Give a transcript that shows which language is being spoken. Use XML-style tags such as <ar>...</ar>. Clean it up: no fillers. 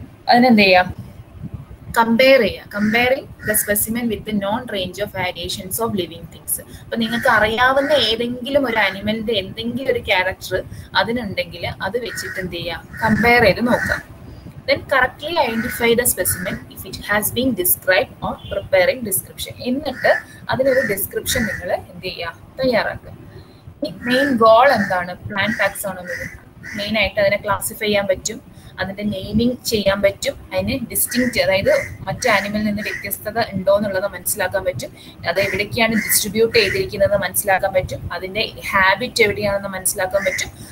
<ml>അതിനെന്ത് ചെയ്യാം, കമ്പയർ ചെയ്യുക,</ml> <en>Comparing the specimen with the known range of variations of living things.</en> <ml>അപ്പൊ നിങ്ങൾക്ക് അറിയാവുന്ന ഏതെങ്കിലും ഒരു അനിമലിന്റെ എന്തെങ്കിലും ഒരു ക്യാരക്ടർ അതിനുണ്ടെങ്കിൽ അത് വെച്ചിട്ട് എന്ത് ചെയ്യാം, കമ്പയർ ചെയ്ത് നോക്കാം.</ml> <en>Then correctly identify the specimen if it has been described or preparing description.</en> <ml>എന്നിട്ട് അതിനൊരു ഡിസ്ക്രിപ്ഷൻ നിങ്ങൾ എന്ത് ചെയ്യുക, തയ്യാറാക്കുക. മെയിൻ ഗോൾ എന്താണ് പ്ലാന്റ് ടാക്സോണമി, മെയിൻ ആയിട്ട് അതിനെ ക്ലാസിഫൈ ചെയ്യാൻ പറ്റും, അതിന്റെ നെയിമിങ് ചെയ്യാൻ പറ്റും, അതിന് ഡിസ്റ്റിങ്ക്ട്, അതായത് മറ്റു അനിമലിൽ നിന്ന് വ്യത്യസ്തത ഉണ്ടോന്നുള്ളത് മനസ്സിലാക്കാൻ പറ്റും, അത് എവിടേക്കാണ് ഡിസ്ട്രിബ്യൂട്ട് ചെയ്തിരിക്കുന്നത് മനസ്സിലാക്കാൻ പറ്റും, അതിന്റെ ഹാബിറ്റ് എവിടെയാണെന്ന് മനസ്സിലാക്കാൻ പറ്റും,</ml>